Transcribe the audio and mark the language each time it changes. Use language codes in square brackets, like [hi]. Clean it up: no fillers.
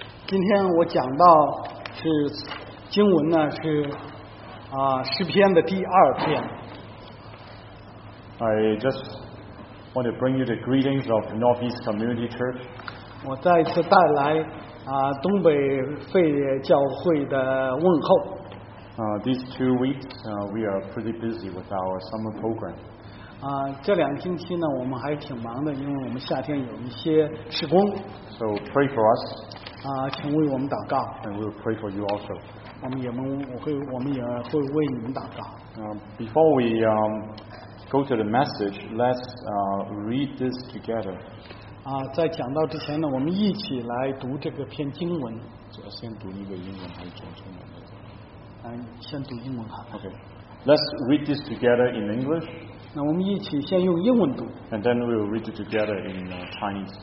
[zh] 今天我讲到是经文呢是诗篇的第二篇。 [en] I just want to bring you the greetings of Northeast Community Church. [zh] 我再次带来东北费教会的问候。 [en] These 2 weeks, we are pretty busy with our summer program. [zh] 这两星期呢，我们还挺忙的，因为我们夏天有一些事工。 [en] So pray for us. [zh] 请为我们祷告。 [en] And we'll pray for you also. [zh] 我们也会为你们祷告。 [en] Before we go to the message, let's read this together. [zh] 在讲到之前呢，我们一起来读这个篇经文。先读一个英文还是中文？先读英文哈。 [en] Okay, let's read this together in English. [zh] 那我们一起先用英文读。 [en] And then we will read it together in Chinese.